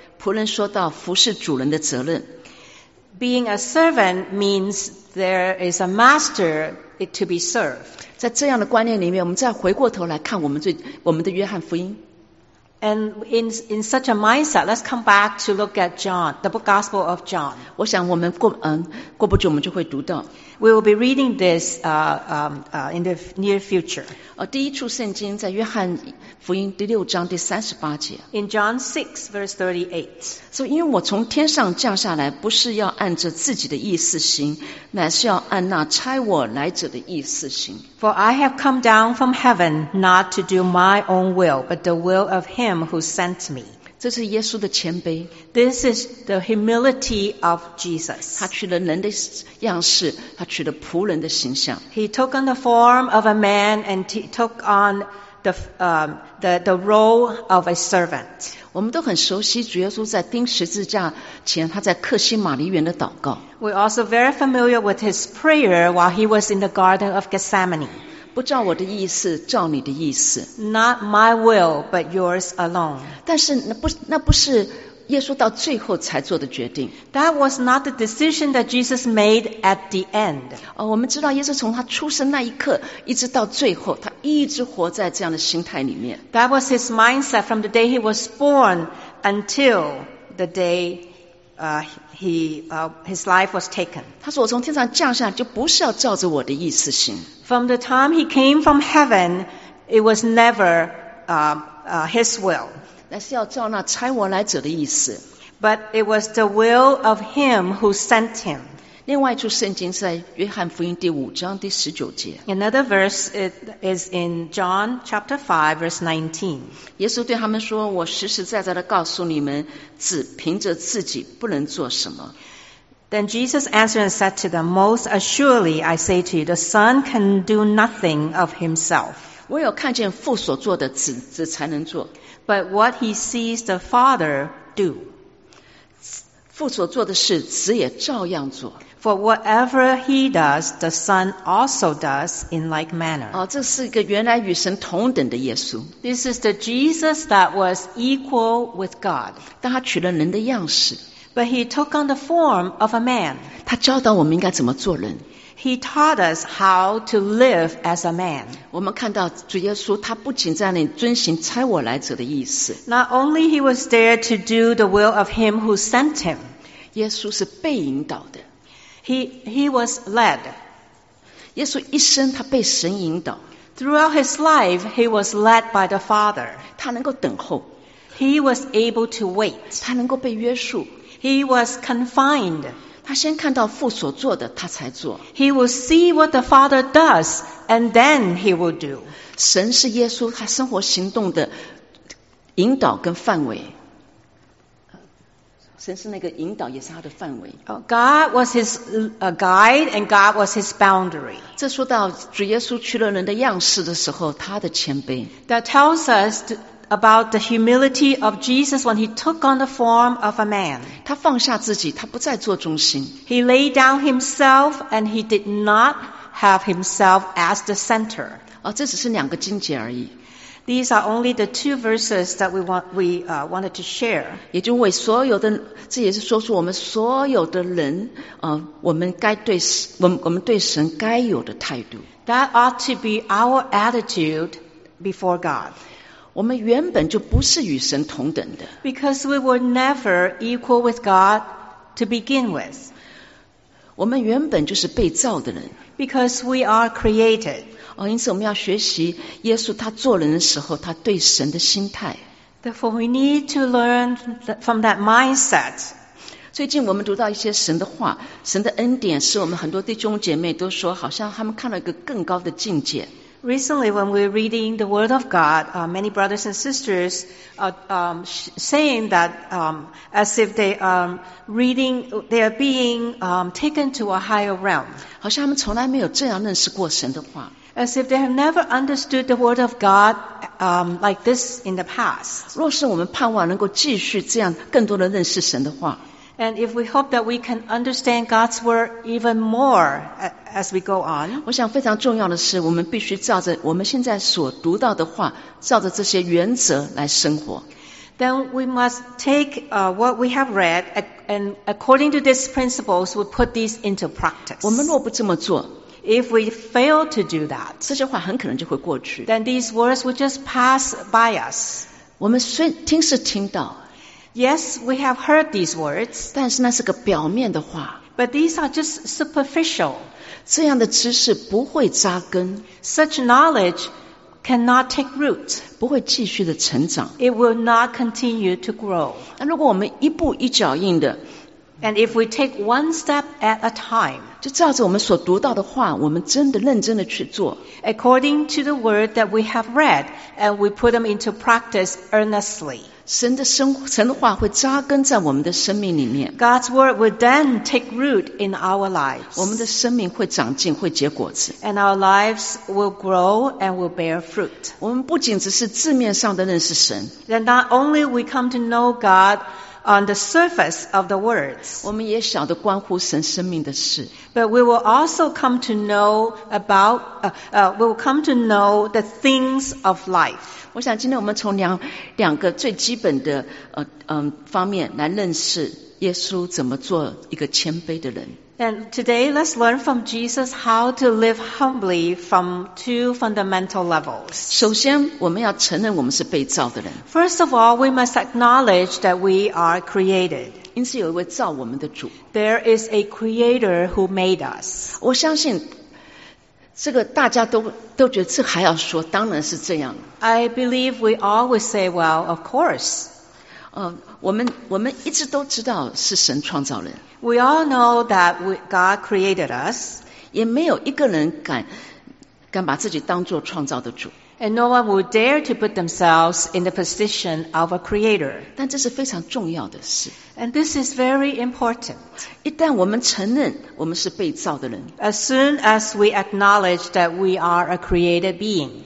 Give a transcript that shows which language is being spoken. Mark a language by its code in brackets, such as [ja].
[zh] 仆人说到服侍主人的责任。 [en] Being a servant means there is a master to be served. [zh] 在这样的观念里面，我们再回过头来看我们的约翰福音。 [en] And in such a mindset, let's come back to look at John, the book Gospel of John. [zh] 我想我们过不久我们就会读到。 [en] We will be reading this in the near future. [zh] 第一处圣经在约翰福音第六章第三十八节。 [en] In John 6, verse 38. [zh] So, 因为我从天上降下来，不是要按着自己的意思行，乃是要按那差我来者的意思行。 [en] For I have come down from heaven not to do my own will, but the will of him who sent me. [zh] 这是耶稣的谦卑。 [en] This is the humility of Jesus. [zh] 他取了人的样式，他取了仆人的形象。 [en] He took on the form of a man and he took on the role of a servant. [zh] 我们都很熟悉主耶稣在钉十字架前他在客西马尼园的祷告。 [en] We're also very familiar with his prayer while he was in the Garden of Gethsemane. [zh] 不照我的意思，照你的意思。 [en] Not my will, but yours alone. [zh] 但是那不是耶稣到最后才做的决定。 [en] That was not the decision that Jesus made at the end. [zh] 我们知道耶稣从他出生那一刻一直到最后，他一直活在这样的心态里面。 [en] That was his mindset from the day he was born until the day his life was taken. [zh] 他说我从天上降下来就不是要照着我的意思行。 [en] From the time he came from heaven, it was never his will. [zh] 那是要照那差我来者的意思。 [en] But it was the will of him who sent him. [zh] 另外一处圣经是在约翰福音第五章第十九节。 [en] Another verse is in John chapter 5 verse 19. [zh] 耶稣对他们说，我实实在在地告诉你们，只凭着自己不能做什么。 [en] Then Jesus answered and said to them, Most assuredly, I say to you, the Son can do nothing of himself. [zh] 唯有看见父所做的子才能做。 [en] But what he sees the Father do. [zh] 父所做的事子也照样做。 [en] For whatever he does, the Son also does in like manner. [zh] 哦，这是一个原来与神同等的耶稣。 [en] This is the Jesus that was equal with God. [zh] 但他取了人的样式。 [en] But he took on the form of a man. [zh] 他教导我们应该怎么做人。 [en] He taught us how to live as a man. [zh] 我们看到主耶稣他不仅在那里遵行差我来者的意思。 [en] Not only he was there to do the will of him who sent him. [zh] 耶稣是被引导的。 [en] He was led. [zh] 耶稣一生他被神引导。 [en] Throughout his life, he was led by the Father. [zh] 他能够等候。 [en] He was able to wait. [zh] 他能够被约束。 [en] He was confined. [zh] 他先看到父所做的，他才做。 [en] He will see what the Father does, and then he will do. [zh] 神是耶稣他生活行动的引导跟范围。神是那个引导，也是他的范围。 [en] God was his guide, and God was his boundary. [zh] 这说到主耶稣取了人的样式的时候，他的谦卑。 [en] That tells us about the humility of Jesus when he took on the form of a man. [zh] 他放下自己，他不再做中心。 [en] He laid down himself and he did not have himself as the center. [zh] 哦，这只是两个经节而已。 [en] These are only the two verses that we wanted to share. [zh] 也就为所有的，这也是说出我们所有的人，我们对神该有的态度。 [en] That ought to be our attitude before God. [zh] 我们原本就不是与神同等的。 [en] Because we were never equal with God to begin with. [zh] 我们原本就是被造的人。 [en] Because we are created. [zh] 哦，因此我们要学习耶稣他做人的时候他对神的心态。 [en] Therefore we need to learn from that mindset. [zh] 最近我们读到一些神的话，神的恩典使我们很多弟兄姐妹都说好像他们看到一个更高的境界。 [en] Recently, when we were reading the Word of God, many brothers and sisters saying that as if they are reading, they are being taken to a higher realm. [zh] 好像他们从来没有这样认识过神的话。 [en] As if they have never understood the Word of God like this in the past. [zh] 若是我们盼望能够继续这样更多的认识神的话。 [en] And if we hope that we can understand God's word even more as we go on. [zh] 我想非常重要的是我们必须照着我们现在所读到的话照着这些原则来生活。 [en] Then we must take what we have read and according to these principles we put these into practice. [zh] 我们若不这么做 [en] If we fail to do that. [zh] 这些话很可能就会过去。 [en] Then these words will just pass by us. [zh] 我们虽听是听到 [en] Yes, we have heard these words. [zh] 但是那是个表面的话。 [en] But these are just superficial. [zh] 这样的知识不会扎根。 [en] Such knowledge cannot take root. [zh] 不会继续的成长。 [en] It will not continue to grow. [zh] 那如果我们一步一脚印的。 [en] And if we take one step at a time. [zh] 就照着我们所读到的话我们真的认真的去做。 [en] According to the word that we have read, and we put them into practice earnestly. [zh] 神的话会扎根在我们的生命里面。 [en] God's word will then take root in our lives. [zh] 我们的生命会长进，会结果子。 [en] And our lives will grow and will bear fruit. [zh] 我们不仅只是字面上的认识神。 [en] Then not only we come to know God on the surface of the words. [zh] 我们也晓得关乎神生命的事。 [en] But we will also come to know about, we will come to know the things of life. [zh] 我想今天我们从两个最基本的方面来认识耶稣怎么做一个谦卑的人。 [en] And today let's learn from Jesus how to live humbly from two fundamental levels. [zh] 首先我们要承认我们是被造的人。 [en] First of all, we must acknowledge that we are created. [zh] 因此有一位造我们的主。 [en] There is a creator who made us. [zh] 我相信这个大家都觉得这还要说，当然是这样。 [en] I believe we always say, well, of course. [zh] 我们一直都知道是神创造人。 [en] We all know that God created us. [zh] 也没有一个人敢把自己当作创造的主。 [en] And no one would dare to put themselves in the position of a creator. [zh] 但这是非常重要的事。 [en] And this is very important. [zh] 一旦我们承认我们是被造的人， [en] As soon as we acknowledge that we are a created being,